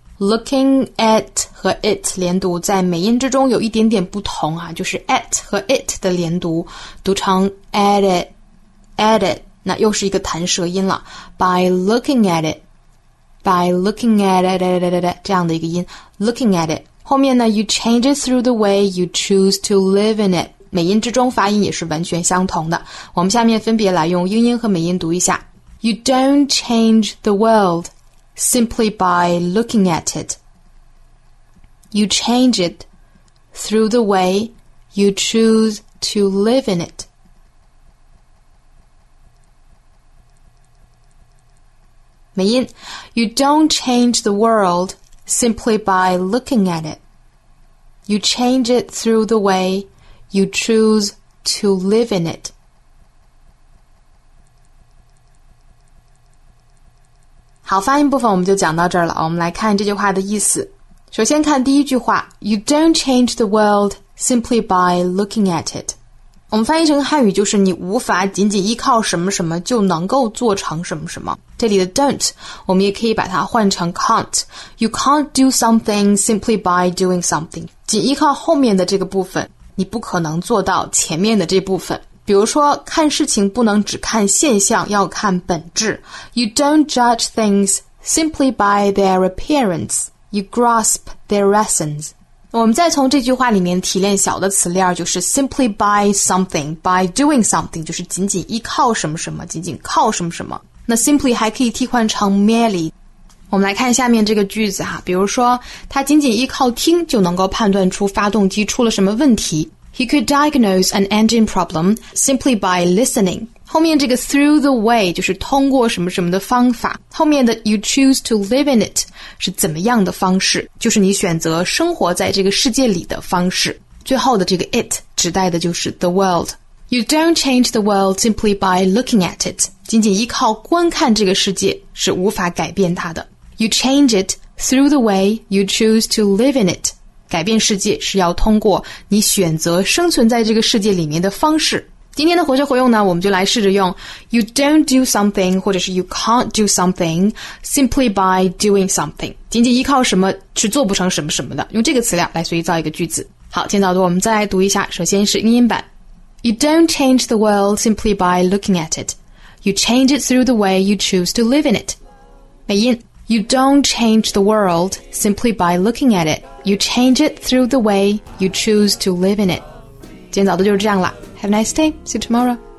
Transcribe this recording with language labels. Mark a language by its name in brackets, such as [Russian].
[Chinese] Looking at 和 it 连读在美音之中有一点点不同啊，就是 at 和 it 的连读，读成 at it, 那又是一个弹舌音了。 [English] By looking at it, [Chinese] 这样的一个音 [English] ，looking at it. [Chinese] 后面呢 [English] ，you change it through the way you choose to live in it. [Chinese] 美音之中发音也是完全相同的。我们下面分别来用英音和美音读一下。 [English] You don't change the world simply by looking at it. You change it through the way you choose to live in it. You don't change the world simply by looking at it. You change it through the way you choose to live in it. [Chinese] 好，发音部分我们就讲到这儿了。我们来看这句话的意思。首先看第一句话 [English] ,You don't change the world simply by looking at it. [Chinese] 我们翻译成汉语就是你无法仅仅依靠什么什么就能够做成什么什么。这里的 don't, 我们也可以把它换成 can't. [English] You can't do something simply by doing something. [Chinese] 仅依靠后面的这个部分。你不可能做到前面的这部分。比如说，看事情不能只看现象，要看本质。 [English] You don't judge things simply by their appearance. You grasp their essence. [Chinese] 我们再从这句话里面提炼小的词链，就是 [English] simply by something, by doing something, [Chinese] 就是仅仅依靠什么什么，仅仅靠什么什么。那 simply 还可以替换成 merely。我们来看下面这个句子啊，比如说他仅仅依靠听就能够判断出发动机出了什么问题。 [English] He could diagnose an engine problem simply by listening. [Chinese] 后面这个 [English] through the way [Chinese] 就是通过什么什么的方法，后面的 [English] you choose to live in it [Chinese] 是怎么样的方式，就是你选择生活在这个世界里的方式，最后的这个 it 指代的就是 the world。 [English] You don't change the world simply by looking at it， [Chinese] 仅仅依靠观看这个世界是无法改变它的。 [English] You change it through the way you choose to live in it， [Chinese] 改变世界是要通过你选择生存在这个世界里面的方式。今天的活学活用呢，我们就来试着用 [English] You don't do something [Chinese] 或者是 [English] You can't do something simply by doing something， [Chinese] 仅仅依靠什么是做不成什么什么的，用这个词量来随意造一个句子。好，今天早读我们再来读一下，首先是英音版。 [English] You don't change the world simply by looking at it， You change it through the way you choose to live in it。 [Chinese] 美音。 [English] You don't change the world simply by looking at it， You change it through the way you choose to live in it。 [Chinese] 今天早读就是这样啦。 [English] Have a nice day. See you tomorrow.